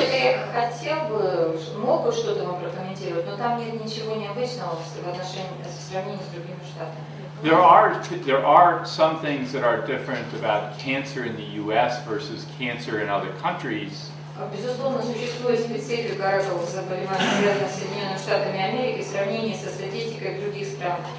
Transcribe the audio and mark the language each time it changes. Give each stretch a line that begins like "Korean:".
Russian: Я хотел бы, мог бы что-то вам прокомментировать, но там нет ничего необычного в отношении, в сравнении с другими штатами.
English: There are some things that are different about cancer in the U.S. versus cancer in other countries.
Russian: Безусловно, существует специфика заболевания в Соединенных Штатах Америки в сравнении со статистикой других стран.